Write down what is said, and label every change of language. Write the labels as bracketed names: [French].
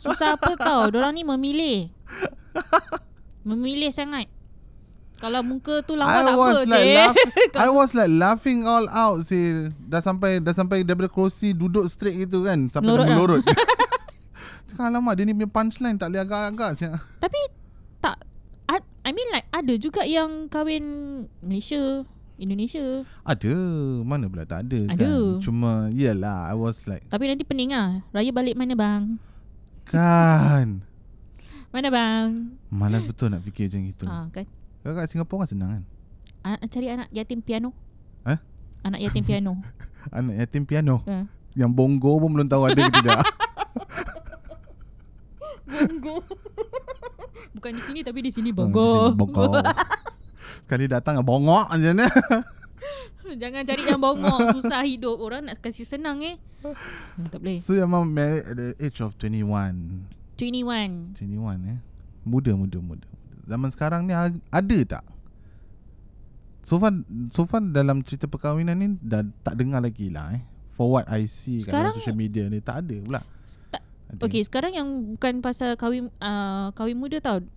[Malay] Susah apa tau, diorang ni memilih. Memilih sangat. Kalau muka tu lawa tak apa je. [English] Like I was like laughing all out sih. [Malay] Dah sampai daripada kerusi duduk [English] straight [Malay] gitu kan. Sampai melorot. Cakap alamak, dia ni punya punchline tak boleh agak-agak. Tapi tak, [English] I mean like [Malay] ada juga yang kahwin Malaysia, Indonesia. Ada, mana pula tak ada, ada kan. Cuma yelah, [English] I was like, [Malay] tapi nanti pening lah. Raya balik mana bang? Kan. Mana bang? Malas betul nak fikir macam itu. Ha, kan? Kakak Singapura kan senang kan? Cari anak yatim piano. Eh? Anak yatim piano. Anak yatim piano? Yang bongo pun belum tahu ada ke tidak. Bongo. Bukan di sini tapi di sini bongo. Bongo. Sekali datang bongok macam ni. Jangan cari yang bongok. Susah hidup orang nak kasih senang eh. Tak boleh. [English] So your mom married at the age of 21. 21 [Malay] eh. Muda. Zaman sekarang ni ada tak? So far dalam cerita perkahwinan ni dah tak dengar lagi lah eh. [English] For what I see [Malay] sekarang, kat social media ni tak ada pula. Okay, sekarang yang bukan pasal kahwin kahwin muda tau.